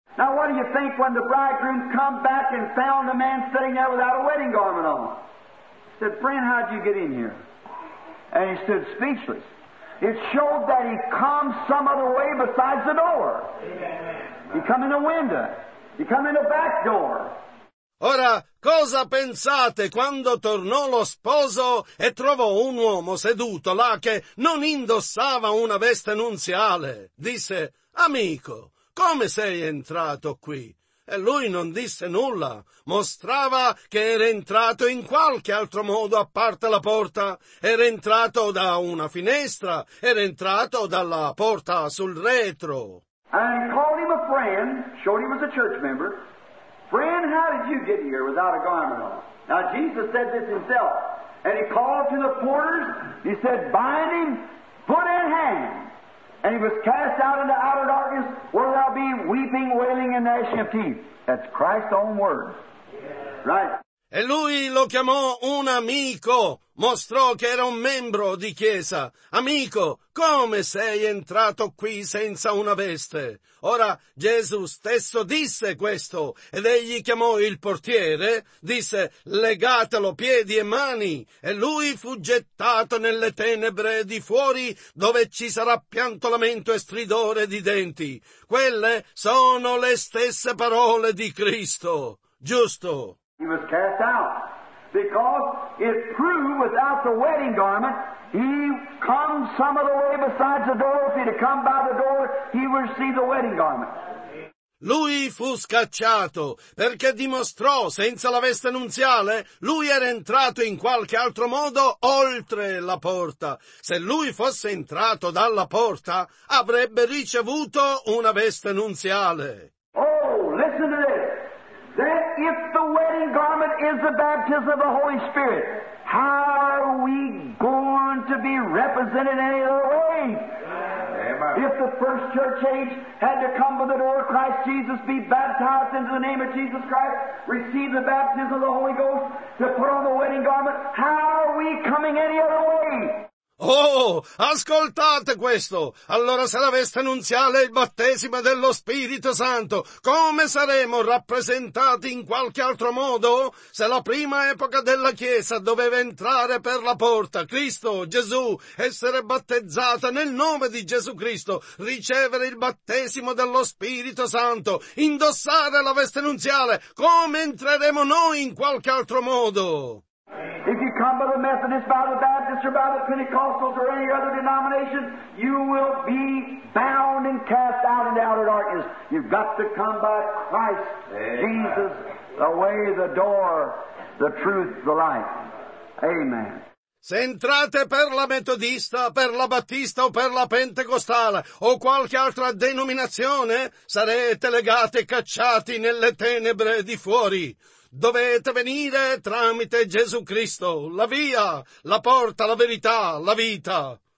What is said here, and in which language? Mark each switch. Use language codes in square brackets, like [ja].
[en] Now what do you think when the bridegroom come back and found the man sitting there without a wedding garment on? He said, friend, how'd you get in here? And he stood speechless. It showed that he come some other way besides the door. Amen. He come in a window. He come in a back door. [it] Ora, cosa pensate quando tornò lo sposo e trovò un uomo seduto là che non indossava una veste nuziale? Disse, amico, come sei entrato qui? E lui non disse nulla, mostrava che era entrato in qualche altro modo a parte la porta, era entrato da una finestra, era entrato dalla porta sul retro. [en] And called him a friend, showed him as a church member. Friend, how did you get here without a garment on? Now Jesus said this himself, and he called to the porters, he said, bind him, put in hand. And he was cast out into outer darkness, where there'll be weeping, wailing, and gnashing of teeth. That's Christ's own words. Right? [it] E lui lo chiamò un amico, mostrò che era un membro di chiesa. Amico, come sei entrato qui senza una veste? Ora Gesù stesso disse questo, ed egli chiamò il portiere, disse, legatelo piedi e mani, e lui fu gettato nelle tenebre di fuori, dove ci sarà pianto, lamento e stridore di denti. Quelle sono le stesse parole di Cristo, giusto? [en] He was cast out, because it proved without the wedding garment, he come some other way besides the door. If he'd have come by the door, he would receive the wedding garment. [it] Lui fu scacciato, perché dimostrò, senza la veste nuziale, lui era entrato in qualche altro modo oltre la porta. Se lui fosse entrato dalla porta, avrebbe ricevuto una veste nuziale. [en] Oh, listen to this. That if the wedding garment is the baptism of the Holy Spirit, how are we going to be represented any other way? Amen. If the first church age had to come by the door of Christ Jesus, be baptized into the name of Jesus Christ, receive the baptism of the Holy Ghost, to put on the wedding garment, how are we coming any other way? [it] Oh, ascoltate questo! Allora se la veste nuziale è il battesimo dello Spirito Santo, come saremo rappresentati in qualche altro modo? Se la prima epoca della Chiesa doveva entrare per la porta, Cristo, Gesù, essere battezzata nel nome di Gesù Cristo, ricevere il battesimo dello Spirito Santo, indossare la veste nuziale, come entreremo noi in qualche altro modo? [en] If you come by the Methodist, by the Baptist, or by the Pentecostals, or any other denomination, you will be bound and cast out into outer darkness. You've got to come by Christ, amen. Jesus, the way, the door, the truth, the life. Amen. [it] Se entrate per la metodista, per la battista o per la pentecostale o qualche altra denominazione, sarete legati e cacciati nelle tenebre di fuori. Dovete venire tramite Gesù Cristo, la via, la porta, la verità, la vita.